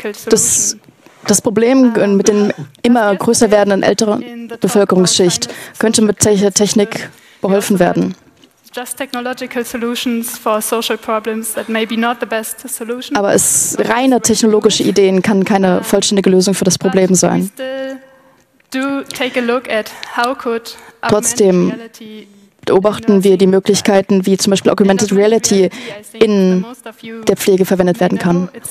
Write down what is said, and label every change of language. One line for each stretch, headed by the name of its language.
German: Das Problem mit den immer größer werdenden älteren Bevölkerungsschicht könnte mit solcher Technik beholfen werden.
English: Just technological solutions for social problems that may be not the best solution.
German: Aber es reine technologische Ideen kann keine vollständige Lösung für das Problem sein.
English: Do take a look at how could
German: trotzdem beobachten wir die Möglichkeiten, wie zum Beispiel Augmented Reality in der Pflege verwendet werden kann.